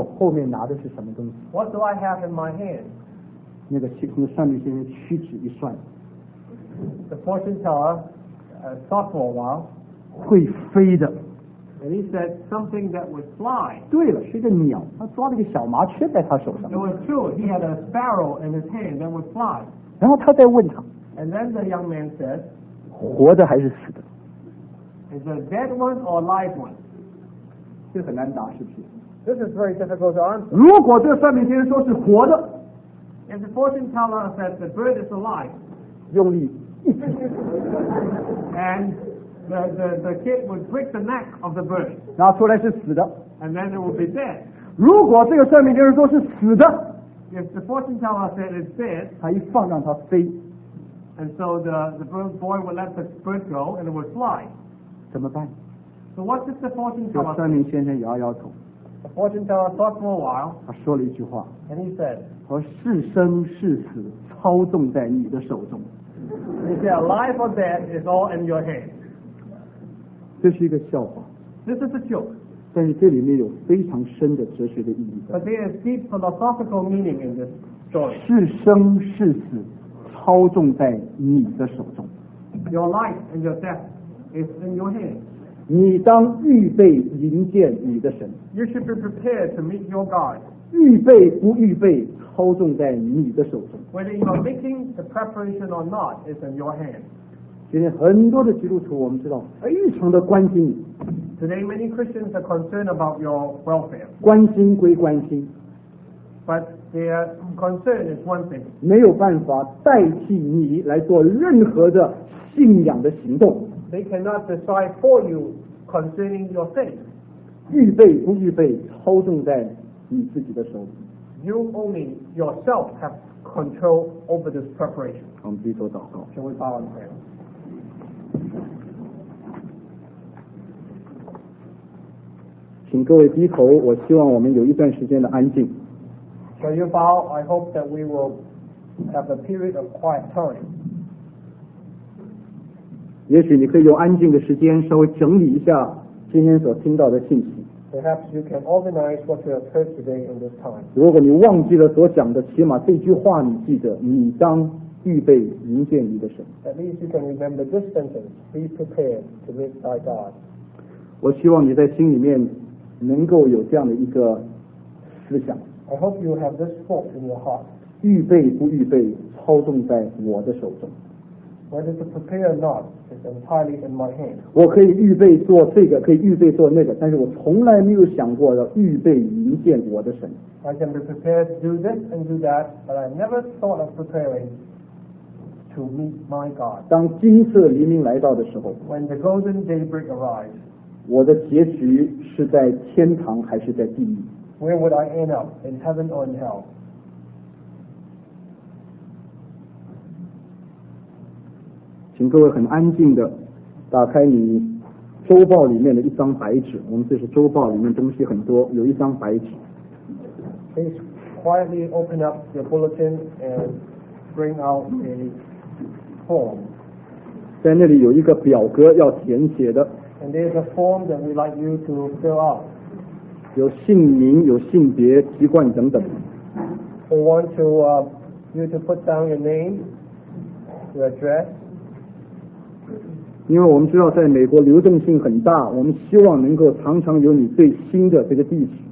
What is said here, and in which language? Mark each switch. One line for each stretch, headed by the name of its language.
Chinese: 我后面拿的是什么东西
English: ？What do I have in my hand?
Chinese: 那个气功上面先生屈指一算。
English: The fortune teller, thought for a while.
Chinese: 会飞的。
English: And he said something that would fly.
Chinese: 对了，是一个鸟，他抓了个小麻雀在他手上。
English: It was true. He had a sparrow in his hand that would fly.
Chinese: 然后他再问他。
English: And then the young man said,
Chinese: 活的还是死的？
English: Is a dead one or a live one?
Chinese: 这很难答，是不是？
English: This is very difficult to answer.
Chinese: 如果这个算命先生说是活的，
English: And the fortune teller said the bird is alive.
Chinese: 用力。
English: And the kid would break the neck of the bird.
Chinese: 然后出来是死的。
English: And then it would be dead.
Chinese: 如果这个算命先生说是死的，
English: If the fortune teller said it's dead,
Chinese: 他一放让他飞。
English: And so the boy would let the bird go and it would fly.
Chinese: 怎么办？
English: So what did the fortune teller say?
Chinese: 算命先生摇摇头。
English: The fortune teller thought for a while.
Chinese: 他说了一句话。
English: And he said,
Chinese: 和是生是死操纵在你的手中。
English: He said, life or death is all in your hands.
Chinese: 这是一个笑话。
English: This is a joke.
Chinese: 但是这里面有非常深的哲学的意义。
English: But there is deep philosophical meaning in this story.
Chinese: 是生是死操纵在你的手中。
English: Your life and your death is in your hands.
Chinese: 你当预备迎接你的神。
English: You should be prepared to meet your God.
Chinese: 预备不预备操纵在你的手中。
English: Whether you are making the preparation or not is in your hands.
Chinese: 今天很多的基督徒我们知道非常的关心你。
English: Today many Christians are concerned about your welfare.
Chinese: 关心归关心。
English: But their concern is one thing.
Chinese: 没有办法代替你来做任何的信仰的行动。
English: They cannot decide for you concerning your faith.
Chinese: 预备不预备操纵在你自己的手里。
English: You only yourself have control over this preparation.
Chinese: 我们低头祷告。
English: Shall we bow in prayer?
Chinese: 请各位低头，我希望我们有一段时间的安静。
English: So you bow, I hope that we will have a period of quiet time.
Chinese: 也许你可以用安静的时间稍微整理一下今天所听到的信息。
English: Perhaps you can organize what you have heard today in this time.
Chinese: 如果你忘记了所讲的，起码这句话你记得，你当预备迎接你的神。
English: At least you can remember this sentence, be prepared to meet thy God.
Chinese: 我希望你在心里面能够有这样的一个思想。
English: I hope you have this thought in your heart.
Chinese: 预备不预备操纵在我的手中。
English: Whether to prepare or not is entirely in my hand.
Chinese: 我可以预备做这个，可以预备做那个，但是我从来没有想过要预备迎接我的神。
English: I can be prepared to do this and do that, but I never thought of preparing to meet my God.
Chinese: 当金色黎明来到的时候。
English: When the golden daybreak arrives.
Chinese: 我的结局是在天堂还是在地狱？
English: Where would I end up, in heaven or in hell?
Chinese: 请各位很安静的打开你周报里面的一张白纸。我们这是周报里面东西很多，有一张白纸。
English: Please quietly open up your bulletin and bring out a form.
Chinese: 在那里有一个表格要填写的。
English: And there's a form that we'd like you to fill out.
Chinese: 有姓名，有性别，籍贯等等。
English: We want to, you to put down your name, your address.
Chinese: 因为我们知道在美国流动性很大，我们希望能够常常有你最新的这个地址。